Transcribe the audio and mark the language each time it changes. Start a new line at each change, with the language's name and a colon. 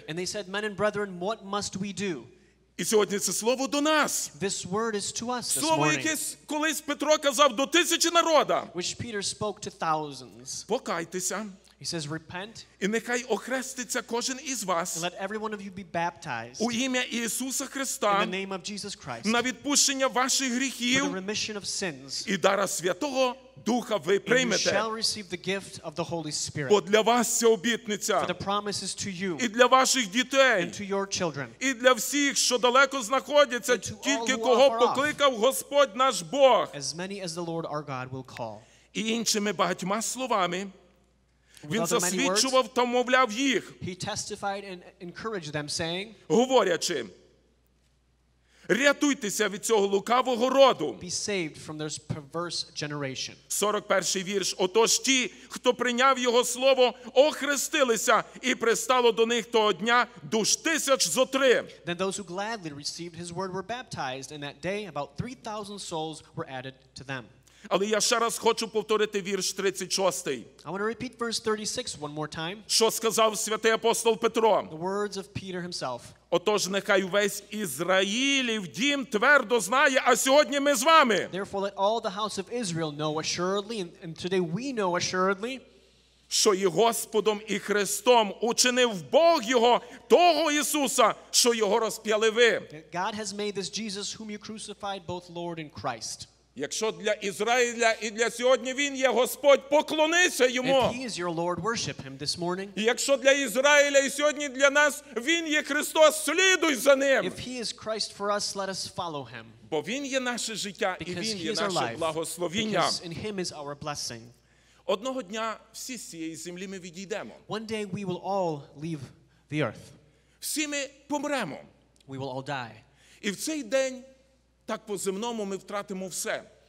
English: And they said, men and brethren, what must we do?
Ukrainian: І сьогодні це слово до нас.
English: This word is to us this
Ukrainian: слово,
English: morning.
Ukrainian: Яке колись Петро казав до тисячі народа.
English: Which Peter spoke to thousands.
Ukrainian: Покайтеся.
English: He says, repent.
Ukrainian: І нехай охреститься кожен із вас.
English: And let every one of you be baptized.
Ukrainian: У ім'я Ісуса Христа.
English: In the name of Jesus Christ.
Ukrainian: На відпущення ваших гріхів.
English: For the remission of sins.
Ukrainian: І дара Святого Духа ви приймете.
English: And you shall receive the gift of the Holy Spirit.
Ukrainian: Бо для вас ця обітниця.
English: For the promises to you.
Ukrainian: І для ваших дітей.
English: And to your children.
Ukrainian: І для всіх, що далеко знаходяться, тільки кого покликав Господь наш Бог.
English: As many as the Lord our God will call.
Ukrainian: І іншими багатьма словами він засвідчував та мовляв їх.
English: He testified and encouraged them, saying, говорячи,
Ukrainian: рятуйтеся від цього лукавого роду.
English: Be saved from this perverse generation.
Ukrainian: 41-й вірш. Отож ті, хто прийняв його слово, охрестилися, і пристало до них того дня душ тисяч зо три.
English: Then those who gladly received his word were baptized, and that day about 3,000 souls were added to them.
Ukrainian: Але я ще раз хочу повторити вірш 36.
English: I want to repeat verse 36 one more time.
Ukrainian: Що сказав святий апостол Петро?
English: The words of Peter himself.
Ukrainian: Отож, нехай увесь Ізраїлів дім твердо знає, а сьогодні ми з вами.
English: Therefore, let all the house of Israel know assuredly, and today we know assuredly,
Ukrainian: що і Господом, і Христом учинив Бог його, того Ісуса, що його розп'яли ви.
English: God has made this Jesus whom you crucified both Lord and Christ.
Ukrainian: Якщо для Ізраїля і для сьогодні він є Господь, поклонися йому.
English: If he is your Lord, worship him this morning.
Ukrainian: Якщо для Ізраїля і сьогодні для нас він є Христос, слідуй за ним.
English: If he is Christ for us, let us follow him.
Ukrainian: Бо він є наше життя і він є наше благословення.
English: Because in him is our blessing.
Ukrainian: Одного дня всі з цієї землі ми відійдемо.
English: One day we will all leave the earth.
Ukrainian: Всі ми помремо.
English: We will all die.
Ukrainian: І в цей день так по-земному ми втратимо все.